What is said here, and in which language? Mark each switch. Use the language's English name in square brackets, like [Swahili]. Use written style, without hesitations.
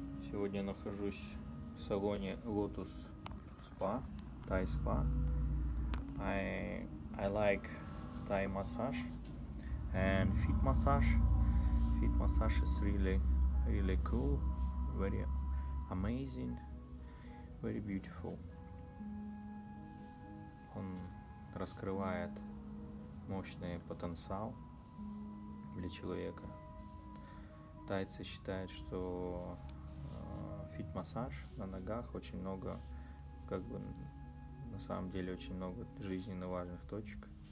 [Russian] Сегодня нахожусь в салоне Lotus Spa, Thai Spa. [English] I like Thai massage and feet massage. Feet massage is really, really cool, very amazing, very beautiful. [Russian] Он раскрывает мощный потенциал для человека. Тайцы считают, что фит-массаж на ногах очень много, как бы на самом деле очень много жизненно важных точек.